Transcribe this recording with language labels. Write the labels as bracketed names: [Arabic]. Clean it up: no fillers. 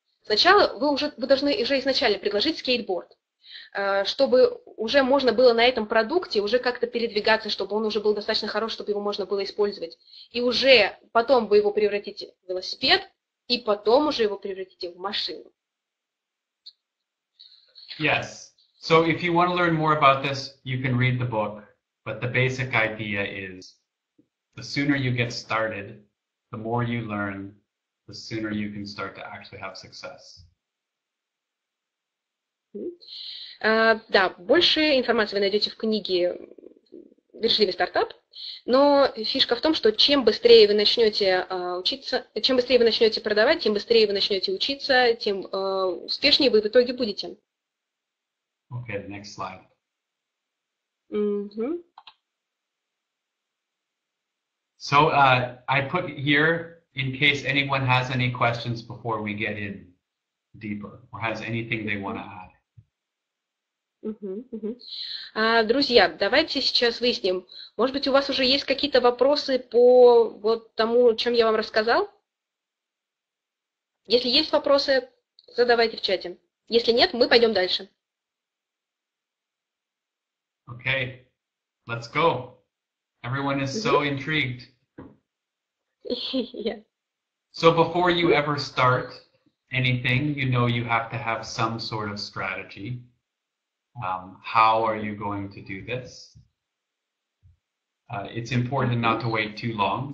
[Russian] Сначала вы должны уже изначально предложить скейтборд, чтобы уже можно было на этом продукте уже как-то передвигаться, чтобы он уже был достаточно хорош, чтобы его можно было использовать. И уже потом вы его превратите в велосипед, и потом уже его превратите в машину. [English] Yes. So if you want to learn more about this, you can read the book. But the basic idea is the sooner you get started, the more you learn, the sooner you can start to actually have success. [Russian] Да, больше информации вы найдете в книге «Вежливый стартап», но фишка в том, что чем быстрее вы начнете учиться, чем быстрее вы начнете продавать, тем быстрее вы начнете учиться, тем успешнее вы в итоге будете. [English] Okay, next slide. So I put here in case anyone has any questions before we get in deeper or has anything they want to add. [Russian] Друзья, давайте сейчас выясним. Может быть, у вас уже есть какие-то вопросы по вот тому, о чем я вам рассказал? Если есть вопросы, задавайте в чате. Если нет, мы пойдем дальше. [English] Okay, let's go. Everyone is so intrigued. Yeah. So before you ever start anything, you know you have to have some sort of strategy. How are you going to do this? It's important not to wait too long.